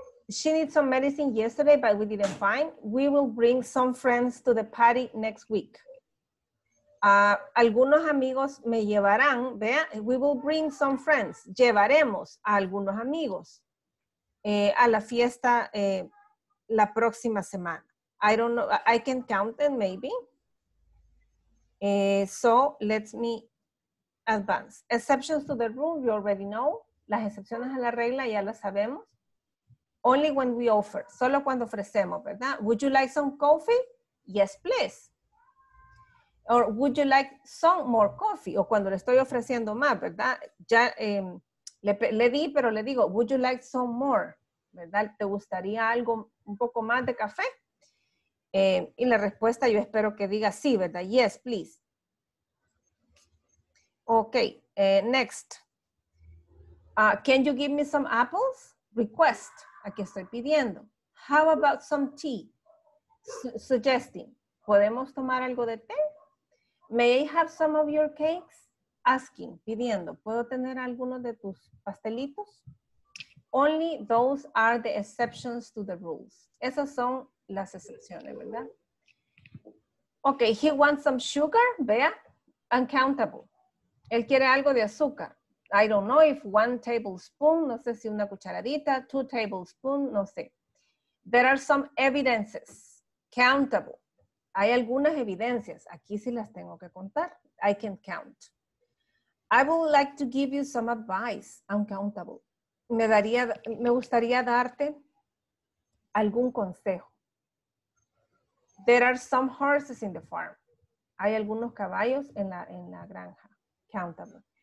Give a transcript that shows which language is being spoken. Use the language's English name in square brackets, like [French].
[English] She needs some medicine yesterday, but we didn't find. We will bring some friends to the party next week. [Spanish] Algunos amigos me llevarán, vea, [English] we will bring some friends, [Spanish] llevaremos a algunos amigos a la fiesta la próxima semana. [English] I don't know, I can count them maybe. So let me advance. Exceptions to the rule, you already know. [Spanish] Las excepciones a la regla ya las sabemos. [English] Only when we offer, [Spanish] solo cuando ofrecemos, ¿verdad? [English] Would you like some coffee? Yes, please. Or would you like some more coffee? [Spanish] O cuando le estoy ofreciendo más, ¿verdad? Ya le di, pero le digo, [English] would you like some more? [Spanish] ¿Verdad? ¿Te gustaría algo, un poco más de café? Y la respuesta yo espero que diga sí, ¿verdad? [English] Yes, please. Okay, next. Can you give me some apples? Request. [Spanish] Aquí estoy pidiendo. [English] How about some tea? Suggesting. [Spanish] ¿Podemos tomar algo de té? [English] May I have some of your cakes? [Spanish] Asking, pidiendo. ¿Puedo tener algunos de tus pastelitos? [English] Only those are the exceptions to the rules. [Spanish] Esas son las excepciones, ¿verdad? [English] Okay, he wants some sugar. [Spanish] Vea, uncountable. Él quiere algo de azúcar. [English] I don't know if one tablespoon, [Spanish] no sé si una cucharadita, [English] two tablespoons, [Spanish] no sé. [English] There are some evidences, countable. [Spanish] Hay algunas evidencias, aquí sí las tengo que contar. [English] I can count. I would like to give you some advice, uncountable. [Spanish] Me gustaría darte algún consejo. [English] There are some horses in the farm. [Spanish] Hay algunos caballos en la granja, [English] countable.